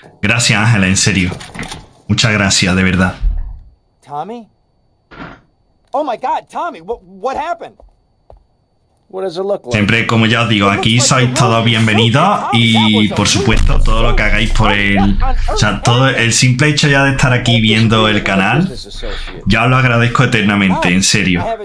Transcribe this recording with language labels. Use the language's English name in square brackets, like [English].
[Spanish] Gracias, Ángela, en serio. Muchas gracias, de verdad. [English] Tommy? Oh my god, Tommy, what happened? What does it look like? [Spanish] Siempre, como ya os digo, aquí sois todos bienvenidos y por supuesto, todo lo que hagáis por el... O sea, todo el simple hecho ya de estar aquí viendo el canal, ya os lo agradezco eternamente, en serio.